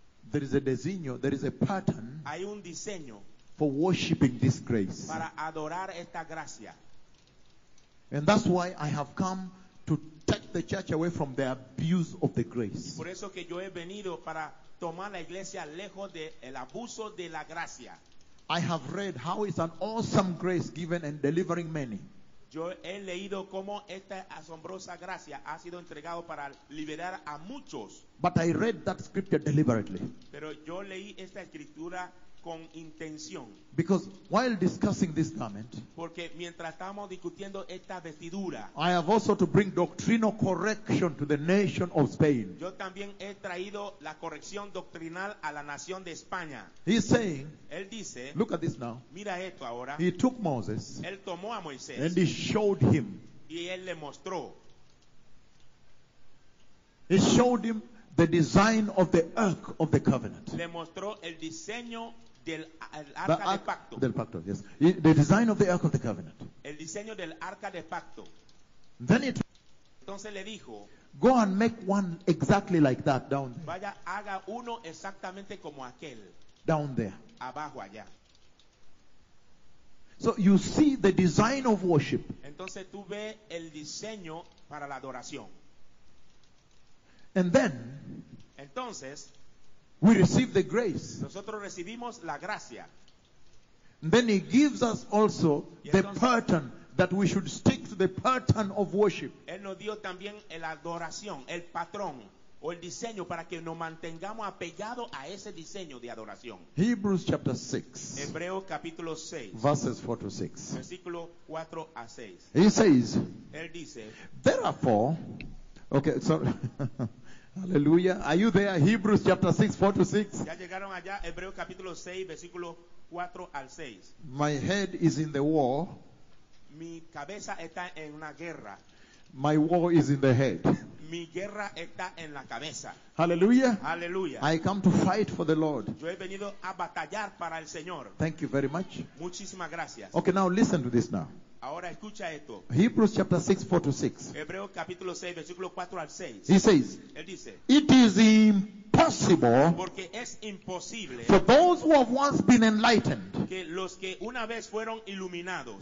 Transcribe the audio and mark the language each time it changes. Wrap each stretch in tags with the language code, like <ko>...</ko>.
<en>there is a designio, there is a pattern,</en> <es>hay un diseño,</es> <en>for worshiping this grace.</en> <es>Para adorar esta gracia.</es> <en>And that's why I have come to take the church away from the abuse of the grace.</en> <es>Y por eso que yo he venido para tomar la iglesia lejos de el abuso de la gracia.</es> <en>I have read how it's an awesome grace given and delivering many.</en> <es>Yo he leído cómo esta asombrosa gracia ha sido entregado para liberar a muchos.</es> <en>But I read that scripture deliberately.</en> <es>Pero yo leí esta escritura con intención.</es> <en>Because while discussing this garment,</en> <es>porque mientras estamos discutiendo esta vestidura,</es> <en>I have also to bring doctrinal correction to the nation of Spain.</en> <es>Yo también he traído la corrección doctrinal a la nación de España.</es> <en>He's saying,</en> <es>él dice,</es> <en>look at this now.</en> <es>Mira esto ahora.</es> <en>He took Moses.</en> <es>Él tomó a Moisés.</es> <en>And he showed him.</en> <es>Y él le mostró.</es> <en>He showed him the design of the Ark of the Covenant.</en> <es>Le mostró el diseño del arca del pacto. Del pacto, yes.</es> <en>The design of the Ark of the Covenant.</en> <es>El diseño del arca del pacto.</es> <en>Then it.</en> <es>Entonces le dijo,</es> <en>go and make one exactly like that down there.</en> <es>Vaya, haga uno exactamente como aquel.</es> <en>Down there.</en> <es>Abajo allá.</es> <en>So you see the design of worship.</en> <es>Entonces tú ves el diseño para la adoración.</es> <en>And then,</en> <es>entonces,</es> <en>we receive the grace.</en> <es>Nosotros recibimos la gracia.</es> <en>Then he gives us also entonces, the pattern that we should stick to the pattern of worship.</en> <es>Él nos dio también el adoración, el patrón. o el diseño para que nos mantengamos apegados a ese diseño de adoración.</es> <en>Hebrews chapter 6.</en> <es>Hebreos capítulo 6.</es> <en>Verses 4 to 6.</en> <es>Versículo 4 a 6.</es> <en>He says,</en> <es>él dice,</es> <en>therefore, okay, sorry. Hallelujah. Are you there? Hebrews chapter 6, 4 to 6.</en> <es>Ya llegaron allá. Hebreos capítulo 6, versículo 4 al 6.</es> <en>My head is in the war.</en> <es>Mi cabeza está en una guerra.</es> <en>My war is in the head.</en> <es>Mi guerra está en la cabeza. Hallelujah. Hallelujah.</es> <en>I come to fight for the Lord.</en> <es>Yo he venido a batallar para el Señor.</es> <en>Thank you very much.</en> <es>Muchísimas gracias.</es> <en>Okay, now listen to this now.</en> <es>Ahora escucha esto.</es> <en>Hebrews chapter 6, 4 to 6.</en> <es>Hebreos capítulo 6, versículo 4 al 6.</es> <en>He says,</en> <es>él dice,</es> <en>it is impossible,</en> <es>porque es imposible,</es> <en>for those who have once been enlightened,</en> <es>que los que una vez fueron iluminados,</es>